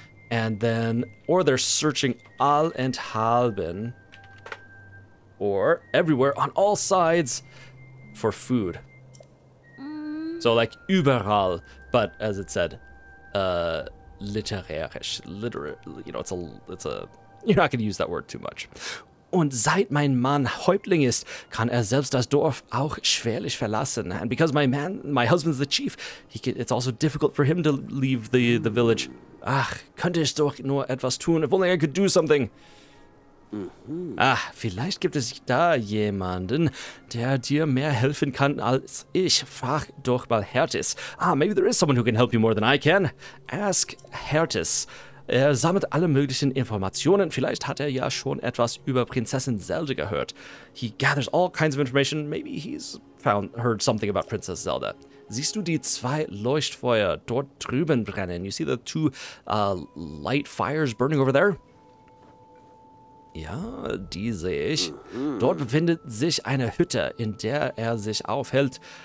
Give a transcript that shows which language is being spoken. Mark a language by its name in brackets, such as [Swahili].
[English] And then, or they're searching allenthalben, or everywhere, on all sides, for food. So like, überall, but as it said, literarisch, literally, you know, it's a, you're not gonna use that word too much. [German] Und seit mein Mann Häuptling ist, kann er selbst das Dorf auch schwerlich verlassen. [English] And because my husband's the chief, it's also difficult for him to leave the village. [German] Ach, könnte ich doch nur etwas tun. [English] If only I could do something. [German] Ach, vielleicht gibt es da jemanden, der dir mehr helfen kann als ich. Frag doch mal Hertis. [English] Ah, maybe there is someone who can help you more than I can. Ask Hertis. [German] Er sammelt alle möglichen Informationen. Vielleicht hat er ja schon etwas über Prinzessin Zelda gehört. [English] He gathers all kinds of information. Maybe he's heard something about Princess Zelda. [German] Siehst du die zwei Leuchtfeuer dort drüben brennen? [English] You see the two light fires burning over there? [German] Ja, die sehe ich. Dort befindet sich eine Hütte, in der er sich aufhält.